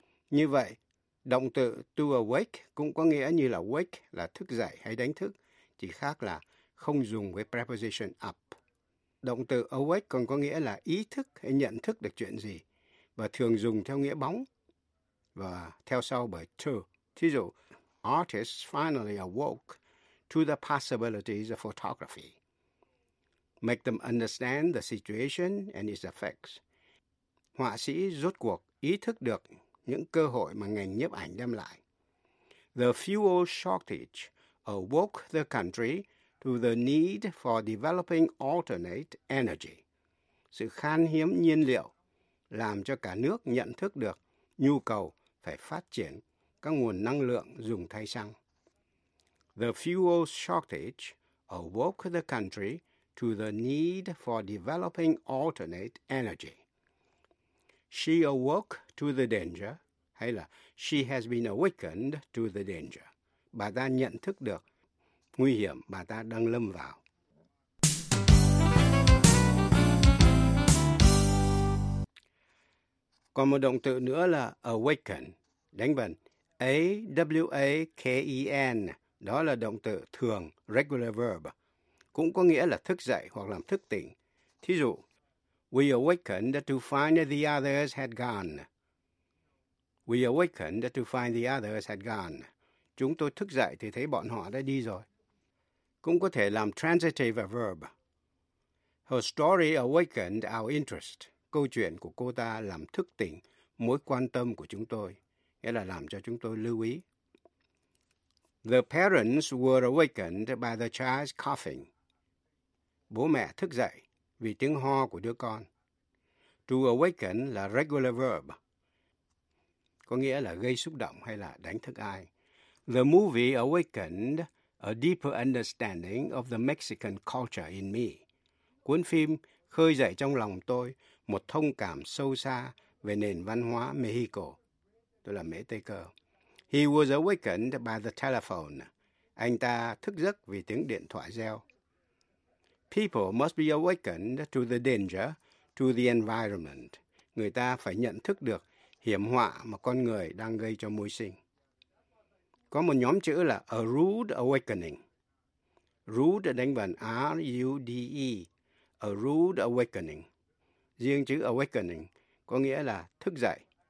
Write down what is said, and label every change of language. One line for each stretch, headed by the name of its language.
Vietnamese: Như vậy, động từ to awake cũng có nghĩa như là wake là thức dậy hay đánh thức, chỉ khác là không dùng với preposition up. Động từ awake còn có nghĩa là ý thức hay nhận thức được chuyện gì và thường dùng theo nghĩa bóng và theo sau bởi to. Thí dụ,
English: artists finally awoke to the possibilities of photography. Make them understand the situation and its effects.
Vietnamese: Họa sĩ rốt cuộc ý thức được những cơ hội mà ngành nhiếp ảnh đem lại.
English: The fuel shortage awoke the country to the need for developing alternate energy.
Vietnamese: Sự khan hiếm nhiên liệu làm cho cả nước nhận thức được nhu cầu phải phát triển các nguồn năng lượng dùng thay xăng.
English: The fuel shortage awoke the country to the need for developing alternate energy. She awoke to the danger,
Vietnamese: hay là
English: she has been awakened to the danger.
Vietnamese: Bà ta nhận thức được nguy hiểm bà ta đang lâm vào. Còn một động từ nữa là awaken, đánh vần. A-W-A-K-E-N, đó là động từ thường, regular verb, cũng có nghĩa là thức dậy hoặc làm thức tỉnh. Thí dụ,
English: we awakened to find that the others had gone. We awakened to find the others had gone.
Vietnamese: Chúng tôi thức dậy thì thấy bọn họ đã đi rồi. Cũng có thể làm transitive verb.
English: Her story awakened our interest.
Vietnamese: Câu chuyện của cô ta làm thức tỉnh mối quan tâm của chúng tôi, nghĩa là làm cho chúng tôi lưu ý.
English: The parents were awakened by the child's coughing.
Vietnamese: Bố mẹ thức dậy vì tiếng ho của đứa con. To awaken là regular verb, có nghĩa là gây xúc động hay là đánh thức ai.
English: The movie awakened a deeper understanding of the Mexican culture in me.
Vietnamese: Cuốn phim khơi dậy trong lòng tôi một thông cảm sâu xa về nền văn hóa Mexico. Tôi là Mễ Tây Cơ.
English: He was awakened by the telephone.
Vietnamese: Anh ta thức giấc vì tiếng điện thoại reo.
English: People must be awakened to the danger to the environment.
Vietnamese: Người ta phải nhận thức được hiểm họa mà con người đang gây cho môi sinh. Có một nhóm chữ là a rude awakening. Rude đánh vần R-U-D-E. A rude awakening. Riêng chữ awakening có nghĩa là thức dậy.